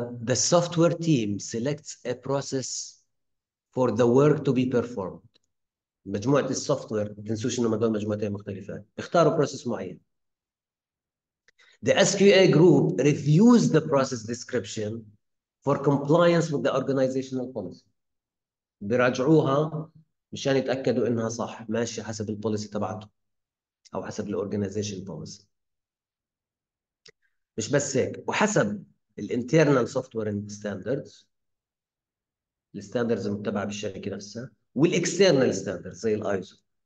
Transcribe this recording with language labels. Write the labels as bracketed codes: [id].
[en] The software team selects a process for the work to be performed. [ar] مجموعة السوفت وير، ما تنسوش انه هذول مجموعتين مختلفات، اختاروا بروسيس معين. [en] The SQA group reviews the process description for compliance with the organizational policy. [ar] بيراجعوها مشان يتأكدوا انها صح ماشية حسب البوليسي تبعته او حسب الاورجنايزيشن بوليسي. مش بس هيك، وحسب الانترنال سوفت وير ستاندردز، الستاندردز المتبعه بالشركه نفسها، والاكسترنال ستاندردز زي الايزو.